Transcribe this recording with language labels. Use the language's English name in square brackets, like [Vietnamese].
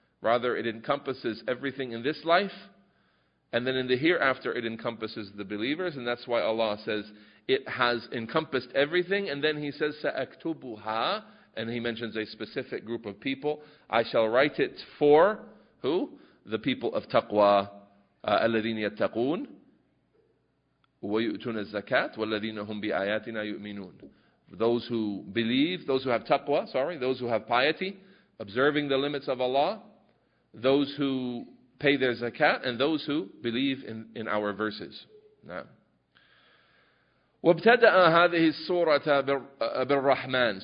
[English] Rather, it encompasses everything in this life, and then in the hereafter it encompasses the believers, and that's why Allah says it has encompassed everything, and then He says, [Arabic] سَأَكْتُبُهَا, [English] and He mentions a specific group of people. I shall write it for who? The people of taqwa, [Arabic] الَّذِينَ يَتَّقُونَ وَيُؤْتُونَ الزَّكَاةَ وَالَّذِينَ هُمْ بِآيَاتِنَا يُؤْمِنُونَ. [English] Those who believe, those who have piety, observing the limits of Allah, those who pay their zakat, and those who believe in our verses. [Arabic] وَابْتَدَأَ هَذِهِ السُّورَةَ بِالرَّحْمَنِ.